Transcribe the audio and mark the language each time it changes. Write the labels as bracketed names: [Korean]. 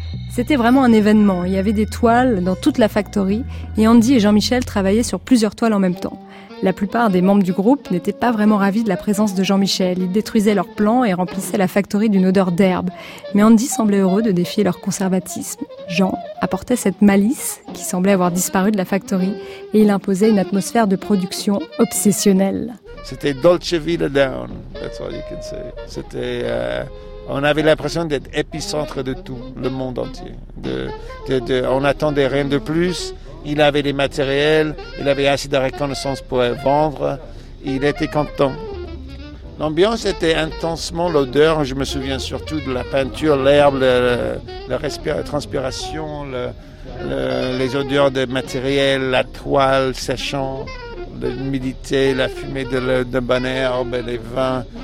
[French] C'était vraiment un événement. Il y avait des toiles dans toute la Factory, et Andy et Jean-Michel travaillaient sur plusieurs toiles en même temps. » La plupart des membres du groupe n'étaient pas vraiment ravis de la présence de Jean-Michel. Ils détruisaient leurs plans et remplissaient la Factory d'une odeur d'herbe. Mais Andy semblait heureux de défier leur conservatisme. Jean apportait cette malice qui semblait avoir disparu de la Factory et il imposait une atmosphère de production obsessionnelle. C'était [English] Dolce Vita Down, that's all you can say. [French] C'était, on avait l'impression d'être épicentre de tout, le monde entier. On n'attendait rien de plus. Il avait les matériels, il avait assez de reconnaissance pour vendre, il était content. L'ambiance était intensement, l'odeur, je me souviens surtout de la peinture, l'herbe, la transpiration, les odeurs de matériel, la toile séchant, l'humidité, la fumée de la bonne herbe, les vins.